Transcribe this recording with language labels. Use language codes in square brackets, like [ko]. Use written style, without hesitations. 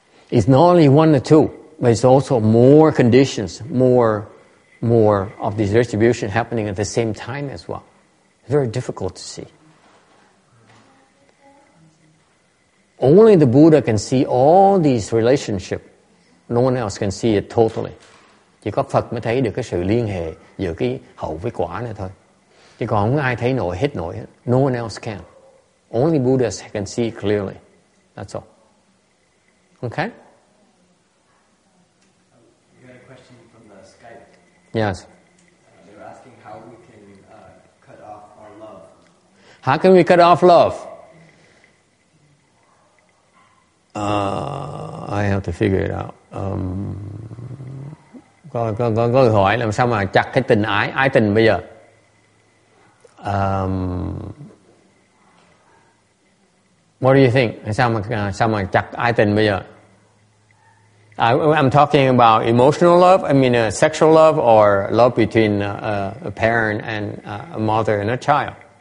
[en] It's not only one or two, but it's also more conditions, more of this distribution happening at the same time as well. Very difficult to see. Only the Buddha can see all these relationships. No one else can see it totally. [vi] Chỉ có Phật mới thấy được cái sự liên hệ giữa cái hậu với quả này thôi. Chứ còn không ai thấy nổi hết nổi. [en] No one else can. Only Buddha can see clearly. That's all. Okay? You had a question from the Skype. Yes. They were asking how we can cut off our love. How can we cut off love? I have to figure it out. [vi] Có người hỏi làm sao mà chặt cái tình ái tình bây giờ. [en] What do you think? [vi] Sao mà chặt ái tình bây giờ? [en] I'm talking about emotional love. I mean sexual love or love between a parent and a mother and a child.